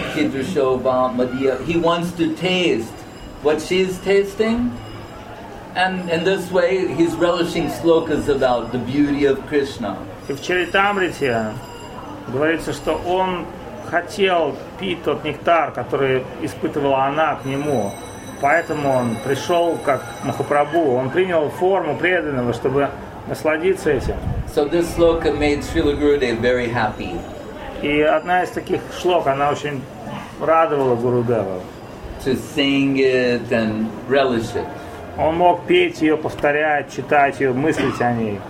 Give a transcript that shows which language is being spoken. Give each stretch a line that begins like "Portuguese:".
English: He wants to taste what she's tasting, and in this way he's relishing slokas about the beauty of Krishna.
Russian: И в Чаритамрите говорится, что он хотел пить тот нектар, который испытывала она к нему. Поэтому он пришел как Махапрабху. Он принял форму преданного, чтобы насладиться этим.
English: So this sloka made Srila Gurudev very happy.
Russian: И одна из таких шлок, она очень радовала Гурудева.
English: To sing it and relish it.
Russian: Он мог петь ее, повторять, читать ее, мыслить о ней.